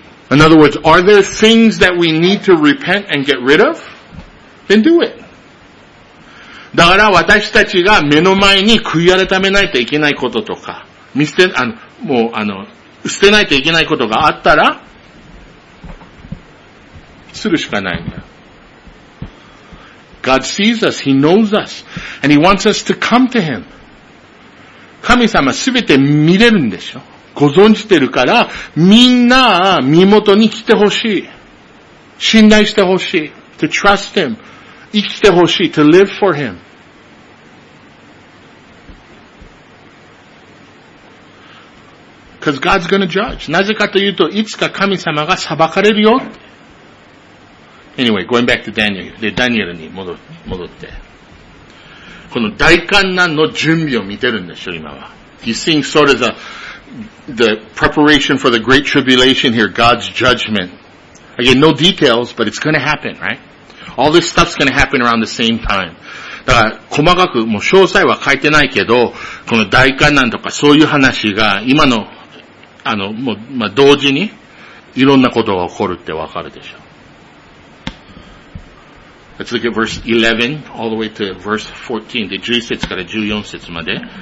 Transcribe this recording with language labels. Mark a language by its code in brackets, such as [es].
[en] In other words, are there things that we need to repent and get rid of? Then do it. [ja] だから私たちが目の前に悔い改めないといけないこととか、見捨て、あの、もう、あの、捨てないといけないことがあったら、するしかないんだ。 [en] God sees us, He knows us, and He wants us to come to Him. [ja] 神様すべて見れるんでしょ。ご存じてるから、みんな身元に来てほしい。信頼してほしい。 [en] To trust Him. [ja] 生きてほしい。 [en] To live for Him. Because God's gonna judge. [ja] なぜかというと、いつか神様が裁かれるよ。 [en] Anyway, going back to Daniel. [ja] で、ダニエルに戻って。この大患難の準備を見てるんでしょ、今は。 [en] He's seeing sort of the preparation for the great tribulation here, God's judgment. Again, no details, but it's going to happen, right? All this stuff's going to happen around the same time. [ja] だから、細かく、もう詳細は書いてないけど、この大患難とかそういう話が、今の、あの、もう、まあ、同時に、いろんなことが起こるってわかるでしょ。 [en] Let's look at verse 11, all the way to verse 14, [ja] で、11節から14節まで。